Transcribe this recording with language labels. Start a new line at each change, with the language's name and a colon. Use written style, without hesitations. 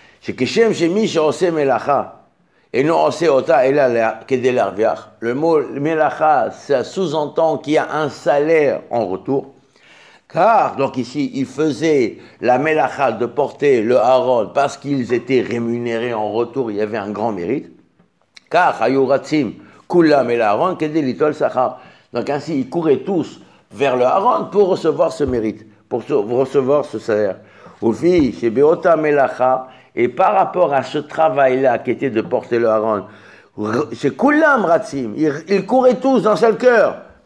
French: Le mot Melacha, ça sous-entend qu'il y a un salaire en retour. Car, donc ici, ils faisaient la Melacha de porter le Aaron parce qu'ils étaient rémunérés en retour, il y avait un grand mérite. Car, Ayuratim,
Hebrew: כולם אל אהרון כדי ליטול שכר.
French: Donc ainsi, ils couraient tous vers le Aaron pour recevoir ce mérite, pour recevoir ce salaire. Ufi, chez Beota Melacha, et par rapport à ce travail-là qui était de porter le Aaron, c'est
Hebrew: Kulam Ratsim,
French: ils couraient tous d'un seul cœur.